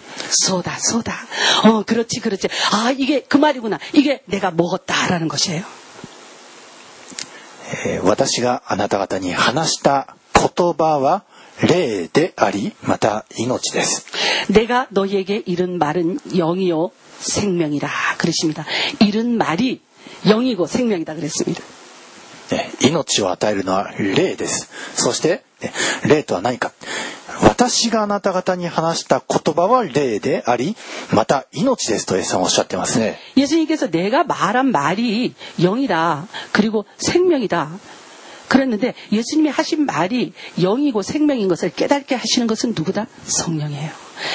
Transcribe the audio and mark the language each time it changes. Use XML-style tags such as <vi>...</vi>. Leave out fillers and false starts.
<ja>そうだそうだお、</ja> <ko>그렇지그렇지あ、이게그말이구나이게내가먹었다라는것이에요。</ko> <ja>私があなた方に話した言葉は霊でありまた命です。</ja> <ko>내가너희에게이른말은영이요생명이라그러십니다。 이른말이영이고생명이다그랬습니다。</ko> <ja>네、命を与えるのは霊です。そして、네、霊とは何か、私があなた方に話した言葉は霊でありまた命です、とイエスさんおっしゃってますね。</ja> <ko>예수님께서내가말한말이영이다그리고생명이다그랬는데예수님이하신말이영이고생명인것을깨닫게하시는것은누구다？ 성령이에요。</ko>